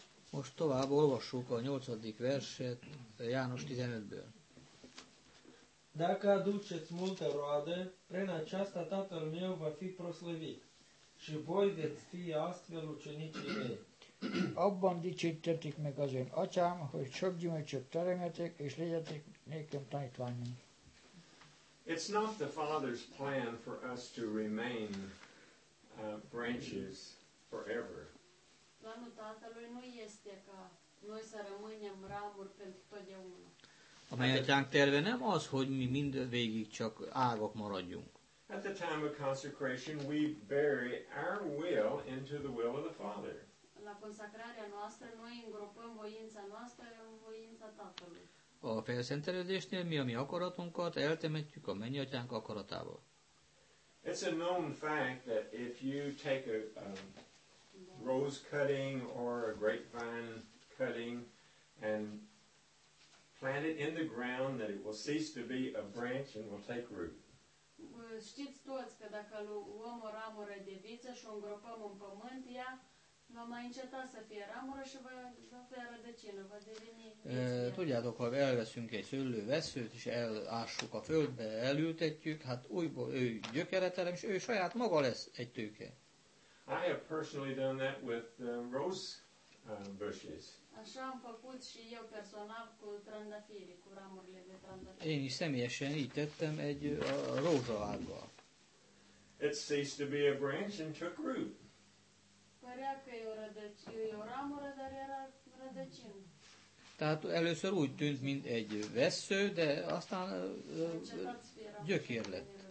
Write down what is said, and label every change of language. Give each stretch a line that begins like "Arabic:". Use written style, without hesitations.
Hungarian: Most tovább olvassuk a 8. verset János 15-ből.
Romanian: Dacă aduceți multă roadă, prin aceasta Tatăl meu va fi proslăvit și voi veți fi astfel ucenicii mei.
Hungarian: Abban dicsértetik meg az én atyám, hogy sok gyümölcsöt teremjetek, és legyetek nékem tanítványom.
English: It's not the Father's plan for us to remain branches forever.
Romanian: Planul Tatălui nu este ca noi să rămânem ramuri pentru totdeauna.
Hungarian: A mai atyánk terve nem az, hogy mi mind végig csak ágak maradjunk.
English: At the time of consecration, we bury our will into the will of the Father.
Romanian: La consacrarea noastră, noi îngropăm voința noastră în voința Tatălui.
Hungarian: A felszentelődésnél mi a mi akaratunkat eltemetjük a mennyatyánk akaratába.
English: It's a known fact that if you take a rose cutting or a grapevine cutting and plant it in the ground, that it will cease to be a branch and will take root.
Romanian: Știți toți că dacă luăm o ramură de viță și o îngropăm în pământ, ea va mai înceta să fie ramură și va fi rădăcină, va deveni.
Hungarian: Tudjátok, ha elveszünk egy szőlő veszőt és elássuk a földbe, elültetjük, hát újból ő gyökere terem, és ő saját maga lesz egy tőke.
English: I have personally done that with rose bushes.
Romanian: Așa am făcut și eu personal cu trandafirii, cu ramurile de trandafiri.
Hungarian: Én is személyesen így tettem egy rózsaággal.
English: It ceased to be a branch and took root.
Romanian: Părea că e o ramură, dar era rădăcină.
Hungarian: Tehát először úgy tűnt, mint egy vessző, de aztán gyökér lett.